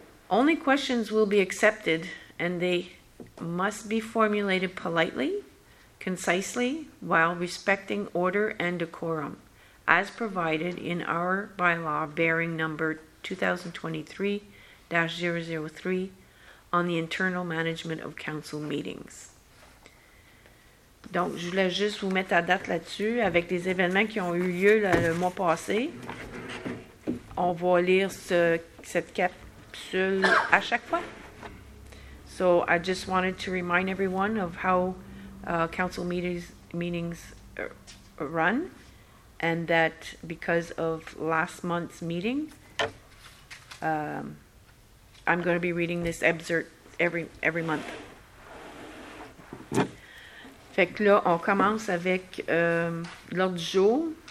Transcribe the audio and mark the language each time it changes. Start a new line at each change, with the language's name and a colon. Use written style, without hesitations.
English: Only questions will be accepted, and they must be formulated politely, concisely, while respecting order and decorum, as provided in our bylaw bearing number 2023-003, on the internal management of council meetings.
French: Donc, je voulais juste vous mettre à date là-dessus avec les événements qui ont eu lieu le mois passé. On va lire cette capsule à chaque fois.
English: So, I just wanted to remind everyone of how council meetings run, and that because of last month's meeting, I'm going to be reading this excerpt every month.
French: Fait que là, on commence avec l'ordre du jour.